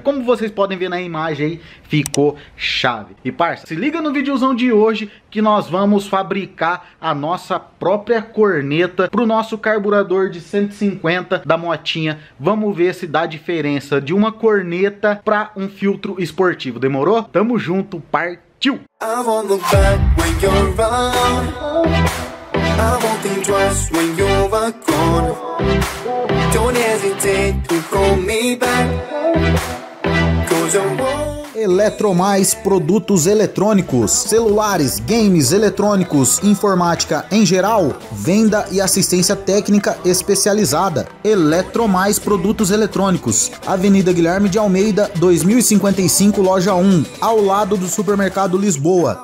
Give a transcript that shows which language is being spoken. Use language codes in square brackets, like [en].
[pt] Como vocês podem ver na imagem aí, ficou chave. E parça, se liga no videozão de hoje que nós vamos fabricar a nossa própria corneta pro nosso carburador de 150 da motinha. Vamos ver se dá diferença de uma corneta para um filtro esportivo. Demorou? Tamo junto, partiu! [en] I'm on the back when you're around. I won't think twice when you're gone. Don't hesitate to call me back, 'cause I'm gone. [pt] Eletromais Produtos Eletrônicos, celulares, games eletrônicos, informática em geral, venda e assistência técnica especializada. Eletromais Produtos Eletrônicos, Avenida Guilherme de Almeida, 2055, loja 1, ao lado do supermercado Lisboa.